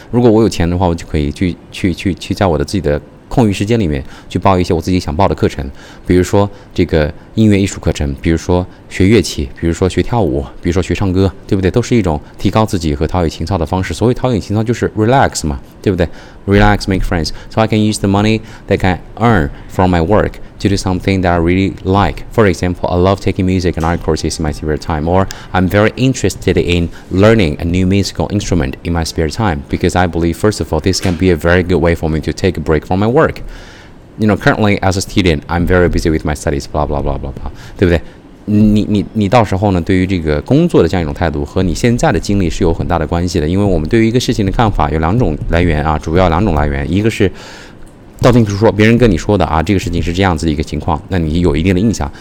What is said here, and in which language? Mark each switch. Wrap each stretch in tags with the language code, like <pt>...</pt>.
<zh>如果我有钱的话，我就可以去在我的自己的空余时间里面去报一些我自己想报的课程，比如说这个音乐艺术课程，比如说学乐器，比如说学跳舞，比如说学唱歌，对不对？都是一种提高自己和陶冶情操的方式。所谓陶冶情操就是 relax 嘛，对不对？</zh> <en>Relax, make friends. So I can use the money that I can earn from my work to do something that I really like. For example, I love taking music and art courses in my spare time, or I'm very interested in learning a new musical instrument in my spare time because I believe, first of all, this can be a very good way for me to take a break from my work. You know, currently, as a student, I'm very busy with my studies, blah, blah, blah, blah, blah,</en> <zh>对不对？你到时候呢，对于这个工作的这样一种态度和你现在的经历是有很大的关系的，因为我们对于一个事情的看法有两种来源啊，主要两种来源，一个是道听途说，别人跟你说的啊，这个事情是这样子的一个情况，那你有一定的印象。</zh>